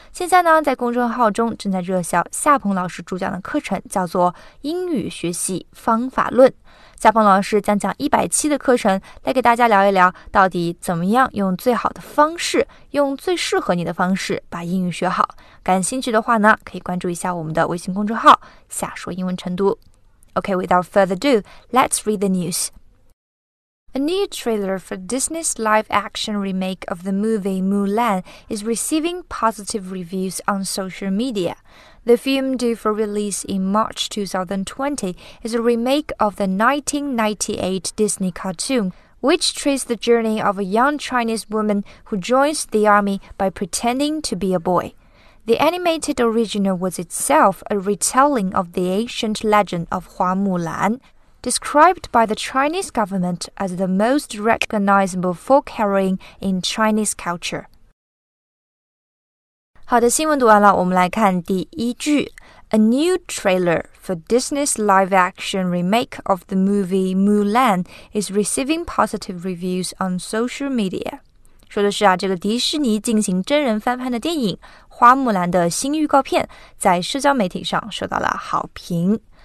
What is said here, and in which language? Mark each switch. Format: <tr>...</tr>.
<zh>现在呢，在公众号中正在热销夏鹏老师主讲的课程，叫做《英语学习方法论》。夏鹏老师将讲100期的课程，来给大家聊一聊，到底怎么样用最好的方式，用最适合你的方式把英语学好。感兴趣的话呢，可以关注一下我们的微信公众号“夏说英文晨读”。</zh> <en>Okay, without further ado, let's read the news. A new trailer for Disney's live-action remake of the movie Mulan is receiving positive reviews on social media. The film due for release in March 2020 is a remake of the 1998 Disney cartoon, which treats the journey of a young Chinese woman who joins the army by pretending to be a boy. The animated original was itself a retelling of the ancient legend of Hua Mulan,described by the Chinese government as the most recognizable folk heroine in Chinese culture.</en> <zh>好的，新闻读完了，我们来看第一句。</zh> <en>A new trailer for Disney's live-action remake of the movie Mulan is receiving positive reviews on social media.</en> <zh>说的是啊，这个迪士尼进行真人翻拍的电影《花木兰》的新预告片在社交媒体上受到了好评。</zh>